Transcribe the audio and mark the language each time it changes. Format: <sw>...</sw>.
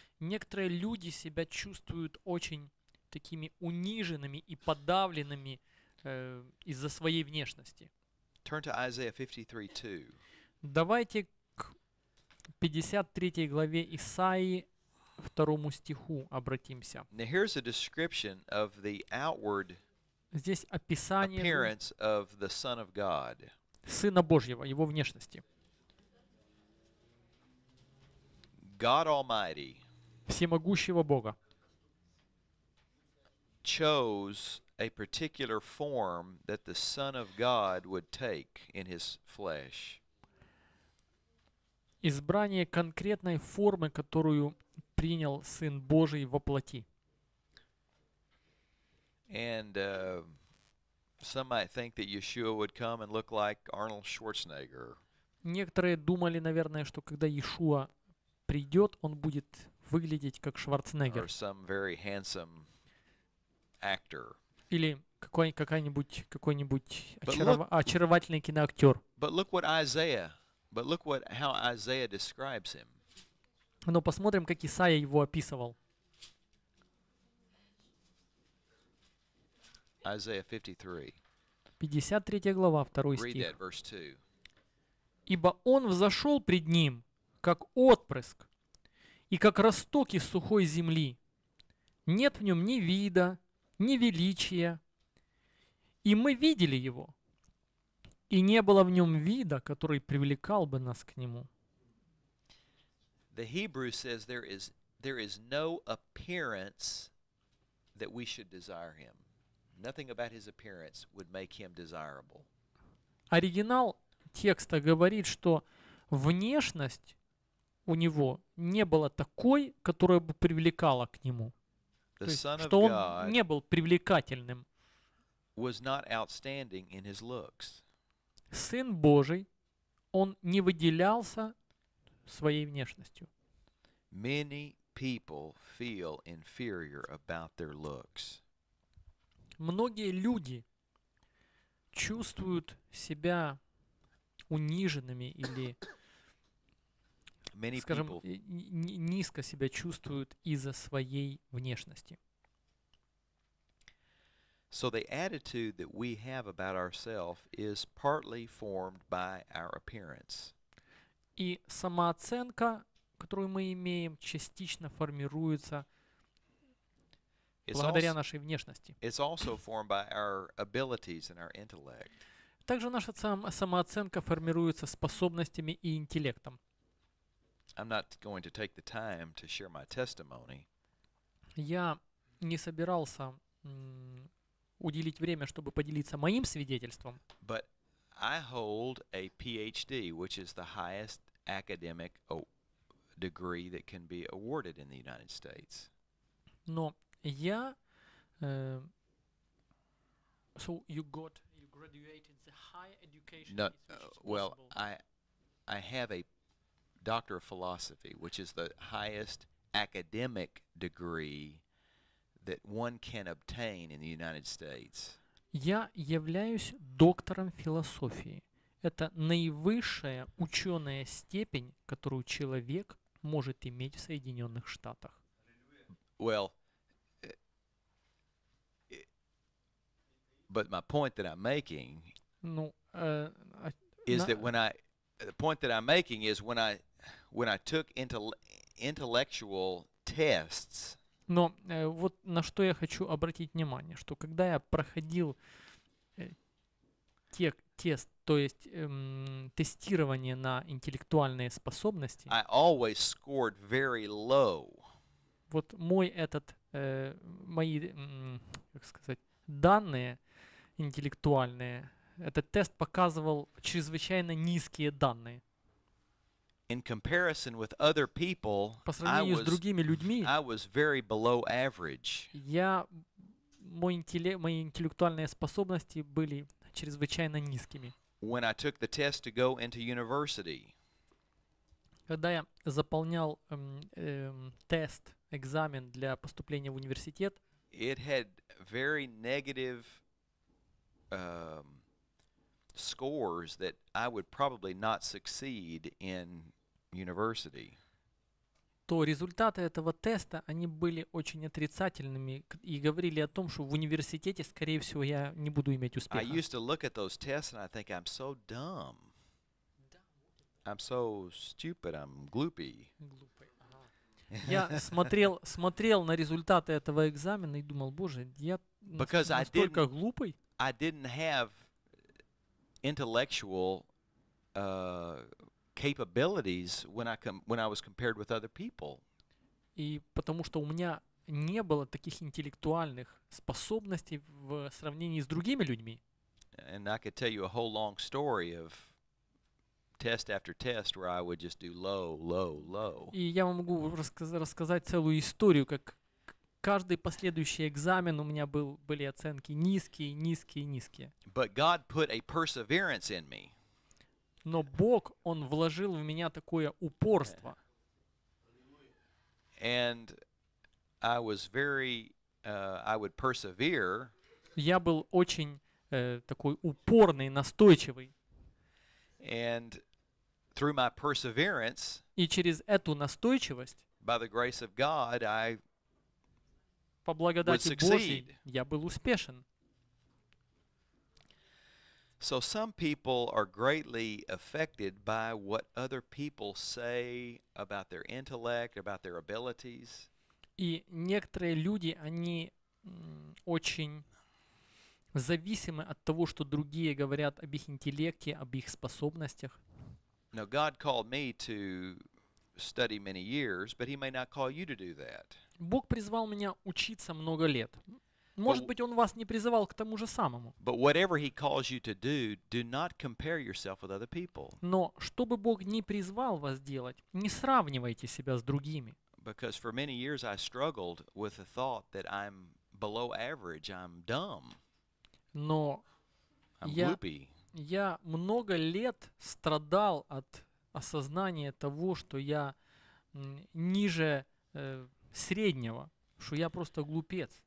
<ru>Некоторые люди себя чувствуют очень такими униженными и подавленными из-за своей внешности.</ru> <en>Turn to Isaiah 53:2.</en> <ru>Давайте к 53 главе Исаии 2 стиху обратимся.</ru> <en>Now here's a description of the outward appearance of the Son of God.</en> <ru>Сына Божьего, его внешности.</ru> <en>God Almighty.</en> <ru>всемогущего Бога.</ru> <en>Chose a particular form that the Son of God would take in his flesh.</en> <ru>Избрание конкретной формы, которую принял Сын Божий во плоти.</ru> <en>And some might think that Yeshua would come and look like Arnold Schwarzenegger.</en> <ru>Некоторые думали, наверное, что когда Иешуа придет, он будет выглядеть как Шварценеггер.</ru> <en>Or some very handsome actor.</en> <ru>Или какой-нибудь очаровательный киноактер.</ru> <en>But look how Isaiah describes him.</en> <ru>Но посмотрим, как Исаия его описывал.</ru> <en>Isaiah 53.</en> <ru>53 глава, 2 стих.</ru> <en>Read that, verse 2.</en> <ru>Ибо он взошел пред ним, как отпрыск, и как росток из сухой земли. Нет в нем ни вида, ни величия. И мы видели его, и не было в нем вида, который привлекал бы нас к нему.</ru> <en>The Hebrew says there is no appearance that we should desire him. Nothing about his appearance would make him desirable.</en> <ru>Оригинал текста говорит, что внешность у него не была такой, которая бы привлекала к нему. То есть, что он не был привлекательным.</ru> <en>Was not outstanding in his looks.</en> <ru>Сын Божий, он не выделялся своей внешностью.</ru> <en>Many people feel inferior about their looks.</en> <ru>Многие люди чувствуют себя униженными или, скажем, низко себя чувствуют из-за своей внешности.</ru> <en>So the attitude that we have about ourselves is partly formed by our appearance.</en> <ru>И самооценка, которую мы имеем, частично формируется благодаря нашей внешности.</ru> <en>It's also formed by our abilities and our intellect.</en> <ru>Также наша самооценка формируется способностями и интеллектом.</ru> <en>I'm not going to take the time to share my testimony.</en> <ru>Я не собирался уделить время, чтобы поделиться моим свидетельством.</ru> <en>But I hold a PhD, which is the highest academic degree that can be awarded in the United States.</en> <ru>Но я</ru> <en>so you got graduated the higher education. No, well, I have a doctor of philosophy, which is the highest academic degree that one can obtain in the United States.</en> <ru>Я являюсь доктором философии. Это наивысшая ученая степень, которую человек может иметь в Соединенных Штатах.</ru> <en>Well, but my point that I'm making is when I took intellectual tests.</en> <ru>Но вот на что я хочу обратить внимание, что когда я проходил тест, то есть тестирование на интеллектуальные способности,</ru> <en>I always scored very low.</en> <ru>Вот мой этот мои, как сказать, данные интеллектуальные, этот тест показывал чрезвычайно низкие данные.</ru> <en>In comparison with other people, I was very below average.</en> <ru>Мои интеллектуальные способности были чрезвычайно низкими.</ru> <en>When I took the test to go into university,</en> <ru>когда я заполнял тест, экзамен для поступления в университет,</ru> <en>it had very negative scores that I would probably not succeed in university.</en> <ru>То результаты этого теста, они были очень отрицательными и говорили о том, что в университете, скорее всего, я не буду иметь успеха.</ru> <en>I used to look at those tests and I think I'm so dumb. I'm so stupid, I'm gloopy.</en> <ru>Я смотрел на результаты этого экзамена и думал, Боже, я настолько глупый.</ru> <en>I didn't have intellectual capabilities when I was compared with other people.</en> <ru>И потому что у меня не было таких интеллектуальных способностей в сравнении с другими людьми.</ru> <en>And I could tell you a whole long story of test after test where I would just do low, low, low.</en> <ru>И я могу рассказать целую историю, как каждый последующий экзамен у меня были оценки низкие, низкие, низкие.</ru> <en>But God put a perseverance in me.</en> <ru>Но Бог, Он вложил в меня такое упорство.</ru> <en>And I was very, I would persevere.</en> <ru>Я был очень такой упорный, настойчивый.</ru> <en>And through my perseverance,</en> <ru>И через эту настойчивость,</ru> <en>by the grace of God, I</en> <ru>по</ru> <en>would</en> <ru>благодати Божьей,</ru> <en>succeed.</en> <ru>я был успешен.</ru> <en>So some people are greatly affected by what other people say about their intellect, about their abilities.</en> <ru>И некоторые люди, они очень зависимы от того, что другие говорят об их интеллекте, об их способностях.</ru> <en>Now God called me to study many years, but He may not call you to do that.</en> <ru>Бог призвал меня учиться много лет. Может быть, Он вас не призывал к тому же самому.</ru> <en>But whatever He calls you to do, do not compare yourself with other people.</en> <ru>Но что бы Бог ни призвал вас делать, не сравнивайте себя с другими.</ru> <en>Because for many years I struggled with the thought that I'm below average, I'm dumb,</en> <ru>Но</ru> <en>I'm loopy.</en> <ru>я много лет страдал от осознания того, что я ниже среднего, что я просто глупец.</ru>